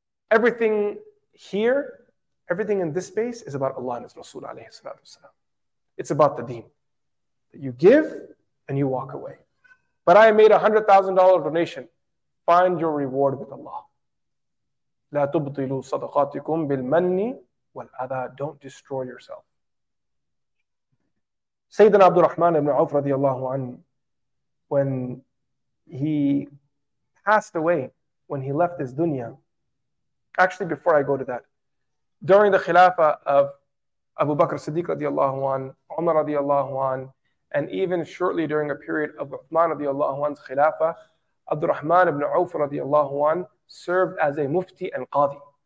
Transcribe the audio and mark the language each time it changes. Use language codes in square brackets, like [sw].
[en] Everything here, everything in this space is about Allah and His Rasul alayhi salatu wasalam. It's about the deen. You give and you walk away. But I made a $100,000 donation. Find your reward with Allah. [ar] لا تبطلوا صدقاتكم بالمن والأذى. [en] Don't destroy yourself. Sayyidina Abdurrahman ibn Auf radiallahu anhu, when he passed away, when he left his dunya, actually before I go to that, during the khilafah of Abu Bakr Siddiq radiallahu anhu, Umar radiallahu anhu, and even shortly during a period of Uthman radiallahu anhu's khilafah, Abdurrahman ibn Auf radiallahu anhu served as a mufti and qadi.